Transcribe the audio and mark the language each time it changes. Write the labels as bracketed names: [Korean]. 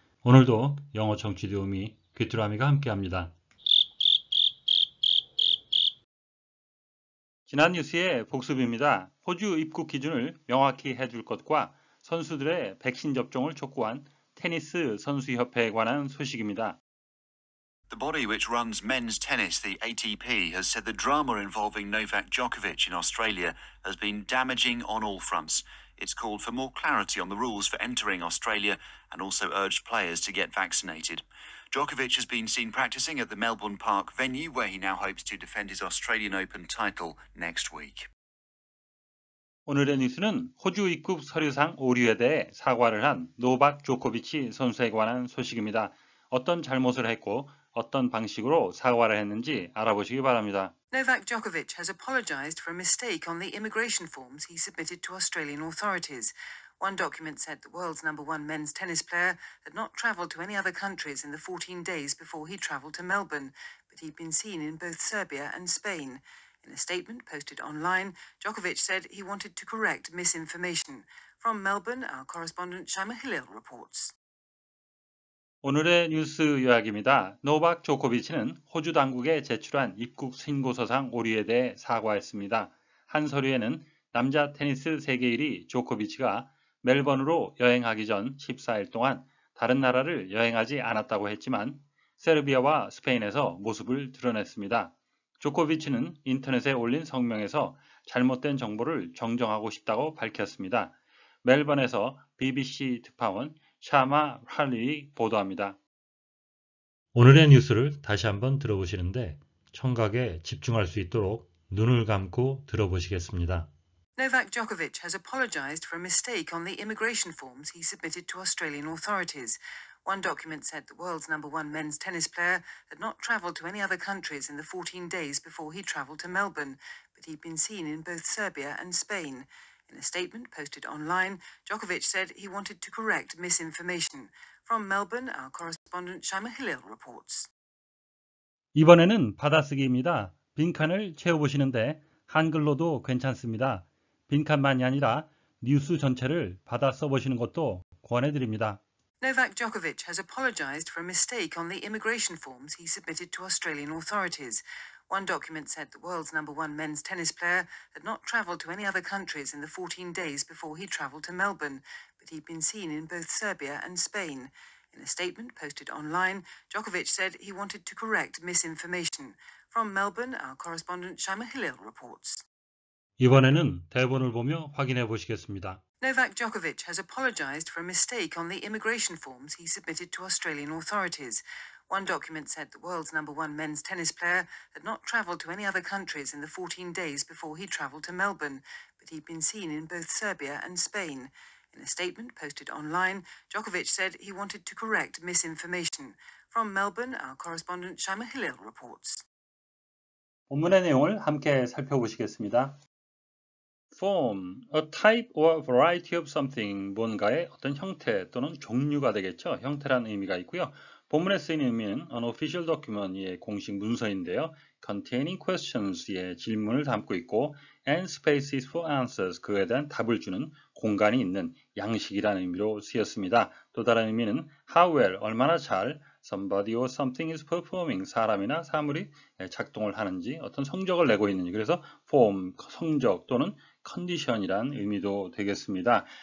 [Korean] 오늘도 영어 청취 도우미 귀뚜라미가 함께합니다. 지난 뉴스의 복습입니다. 호주 입국 기준을 명확히 해줄 것과 선수들의 백신 접종을 촉구한 테니스 선수협회에 관한 소식입니다. [English] The body which runs men's tennis, the ATP, has said the drama involving Novak Djokovic in Australia has been damaging on all fronts. It's called for more clarity on the rules for entering Australia and also urged players to get vaccinated. Djokovic has been seen practicing at the Melbourne Park venue where he now hopes to defend his Australian Open title next week. [Korean] 오늘의 뉴스는 호주 입국 서류상 오류에 대해 사과를 한 노박 조코비치 선수에 관한 소식입니다. 어떤 잘못을 했고 어떤 방식으로 사과를 했는지 알아보시기 바랍니다. [English] Novak Djokovic has apologized for a mistake on the immigration forms he submitted to Australian authorities. One document said the world's number one men's tennis player had not traveled to any other countries in the 14 days before he traveled to Melbourne, but he'd been seen in both Serbia and Spain. In a statement posted online, Djokovic said he wanted to correct misinformation. From Melbourne, our correspondent Shaima Hillel reports. [Korean] 오늘의 뉴스 요약입니다. 노박 조코비치는 호주 당국에 제출한 입국 신고서상 오류에 대해 사과했습니다. 한 서류에는 남자 테니스 세계 1위 조코비치가 멜번으로 여행하기 전 14일 동안 다른 나라를 여행하지 않았다고 했지만 세르비아와 스페인에서 모습을 드러냈습니다. 조코비치는 인터넷에 올린 성명에서 잘못된 정보를 정정하고 싶다고 밝혔습니다. 멜번에서 BBC 특파원 샤마 할리 보도합니다. 오늘의 뉴스를 다시 한번 들어보시는데, 청각에 집중할 수 있도록 눈을 감고 들어보시겠습니다. [English] Novak Djokovic has apologized for a mistake on the immigration forms he submitted to Australian authorities. One document said the world's number one men's tennis player had not traveled to any other countries in the 14 days before he traveled to Melbourne, but he'd been seen in both Serbia and Spain. In a statement posted online, Djokovic said he wanted to correct misinformation. From Melbourne, our correspondent Shaima Hillel reports. [Korean] 이번에는 받아쓰기입니다. 빈칸을 채워보시는데 한글로도 괜찮습니다. 빈칸만이 아니라 뉴스 전체를 받아 써보시는 것도 권해드립니다. [English] Novak Djokovic has apologized for a mistake on the immigration forms he submitted to Australian authorities. One document said the world's number one men's tennis player had not traveled to any other countries in the 14 days before he traveled to Melbourne, but he'd been seen in both Serbia and Spain. In a statement posted online, Djokovic said he wanted to correct misinformation. From Melbourne, our correspondent Shaima Hillel reports. [Korean] 이번에는 대본을 보며 확인해 보시겠습니다. [English] Novak Djokovic has apologized for a mistake on the immigration forms he submitted to Australian authorities. One document said the world's number one men's tennis player had not traveled to any other countries in the 14 days before he traveled to Melbourne, but he'd been seen in both Serbia and Spain. In a statement posted online, Djokovic said he wanted to correct misinformation. From Melbourne, our correspondent Shaima Hillel reports. [Korean] 본문의 내용을 함께 살펴보시겠습니다. [English] Form, a type or variety of something, [Korean] 뭔가의 어떤 형태 또는 종류가 되겠죠. 형태라는 의미가 있고요. 본문에 쓰인 의미는 [English] an official document [Korean] 의 공식 문서인데요. [English] Containing questions [Korean] 의 질문을 담고 있고, [English] and spaces for answers, [Korean] 그에 대한 답을 주는 공간이 있는 양식이라는 의미로 쓰였습니다. 또 다른 의미는 [English] how well, [Korean] 얼마나 잘, [English] somebody or something is performing, [Korean] 사람이나 사물이 작동을 하는지, 어떤 성적을 내고 있는지, 그래서 form, 성적 또는 condition이란 의미도 되겠습니다.